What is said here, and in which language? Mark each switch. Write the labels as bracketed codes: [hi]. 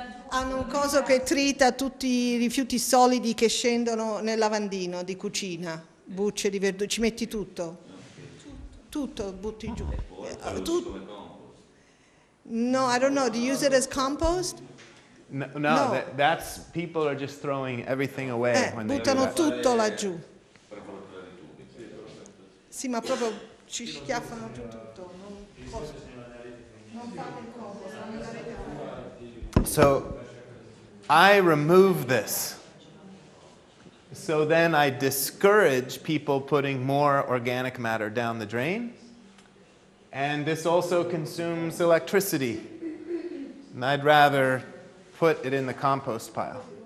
[it] Hanno un coso che trita tutti i rifiuti solidi che scendono nel lavandino di cucina, bucce di verdure, ci metti tutto? Tutto butti giù. [en] No, I don't know, do you use it as compost? No, no, that's people are just throwing everything away when they [it] buttano tutto laggiù. Sì, ma proprio ci schiaffano giù tutto, non fate il compost, non la rete fare. [en] So I remove this, so then I discourage people putting more organic matter down the drain, and this also consumes electricity, and I'd rather put it in the compost pile.